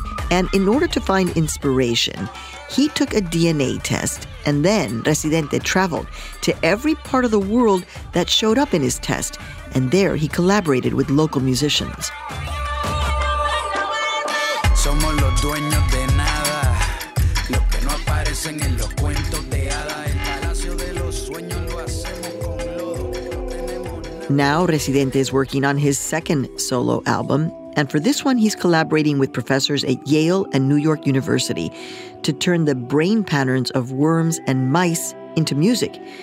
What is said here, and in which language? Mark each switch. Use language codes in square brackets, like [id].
[en] And in order to find inspiration, he took a DNA test, and then Residente traveled to every part of the world that showed up in his test, and there he collaborated with local musicians. [es] Somos los dueños de nada, los que no aparece hacen en los cuentos de hadas. El palacio de los sueños lo hacemos con lodo. [en] Now Residente is working on his second solo album. And for this one, he's collaborating with professors at Yale and New York University to turn the brain patterns of worms and mice into music.